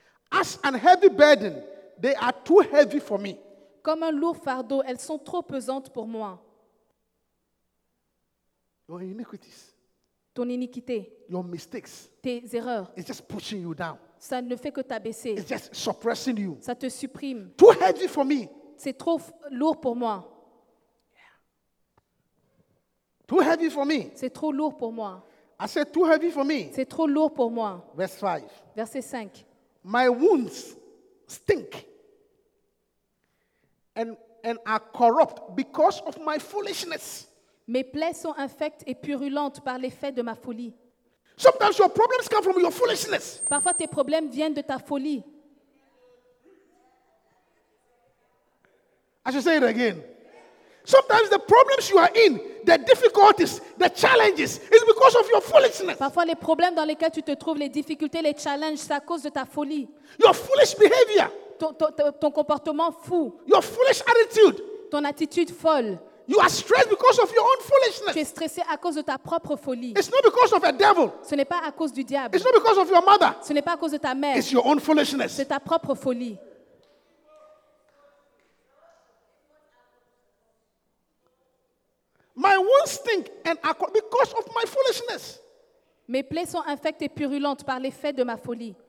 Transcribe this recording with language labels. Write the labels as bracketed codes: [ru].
[en] As a heavy burden, they are too heavy for me. [fr] Comme un lourd fardeau, elles sont trop pesantes pour moi. [en] Your iniquities. [fr] Ton iniquité. [en] Your mistakes. [fr] Tes erreurs. [en] It's just pushing you down. [fr] Ça ne fait que t'abaisser. [en] It's just suppressing you. [fr] Ça te supprime. [en] Too heavy for me. [fr] C'est trop lourd pour moi. [en] Too heavy for me. [fr] C'est trop lourd pour moi. [en] I said too heavy for me. [fr] C'est trop lourd pour moi. [en] Verse 5. [fr] Verset 5. [en] My wounds stink and are corrupt because of my foolishness. [fr] Mes plaies sont infectes et purulentes par l'effet de ma folie. [en] Sometimes your problems come from your foolishness. [fr] Parfois tes problèmes viennent de ta folie. [en] I should say it again. Sometimes the problems you are in, the difficulties, the challenges, is because of your foolishness. [fr] Parfois les problèmes dans lesquels tu te trouves, les difficultés, les challenges, c'est à cause de ta folie. [en] Your foolish behavior. [fr] Ton comportement fou. [en] Your foolish attitude. [fr] Ton attitude folle. [en] You are stressed because of your own foolishness. [fr] Tu es stressé à cause de ta propre folie. [en] It's not because of a devil. [fr] Ce n'est pas à cause du diable. [en] It's not because of your mother. [fr] Ce n'est pas à cause de ta mère. [en] It's your own foolishness. [fr] C'est ta propre folie. [en] My wounds stink and are because of my foolishness. [fr] Mes plaies sont infectes et purulentes par l'effet de ma folie.